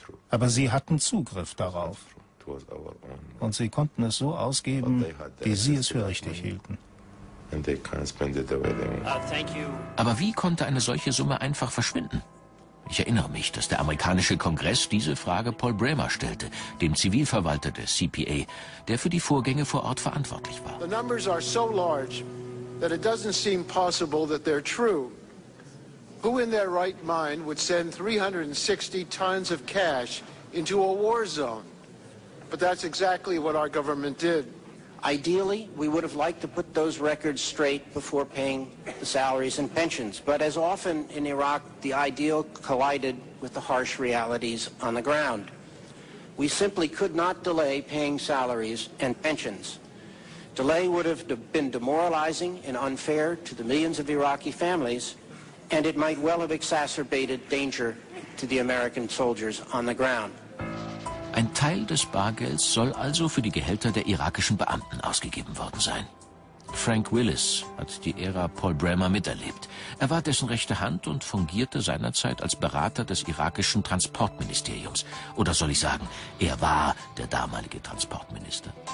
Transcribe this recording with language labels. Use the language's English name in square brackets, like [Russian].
[German] Aber sie hatten Zugriff darauf. Und sie konnten es so ausgeben, wie sie es für richtig hielten. Aber wie konnte eine solche Summe einfach verschwinden? Ich erinnere mich, dass der amerikanische Kongress diese Frage Paul Bremer stellte, dem Zivilverwalter des CPA, der für die Vorgänge vor Ort verantwortlich war. [English] The numbers are so large that it doesn't seem possible that they're true. Who in their right mind would send 360 tons of cash into a war zone? But that's exactly what our government did. Ideally, we would have liked to put those records straight before paying the salaries and pensions. But as often in Iraq, the ideal collided with the harsh realities on the ground. We simply could not delay paying salaries and pensions. Delay would have been demoralizing and unfair to the millions of Iraqi families, and it might well have exacerbated danger to the American soldiers on the ground. [German] Ein Teil des Bargelds soll also für die Gehälter der irakischen Beamten ausgegeben worden sein. Frank Willis hat die Ära Paul Bremer miterlebt. Er war dessen rechte Hand und fungierte seinerzeit als Berater des irakischen Transportministeriums. Oder soll ich sagen, er war der damalige Transportminister.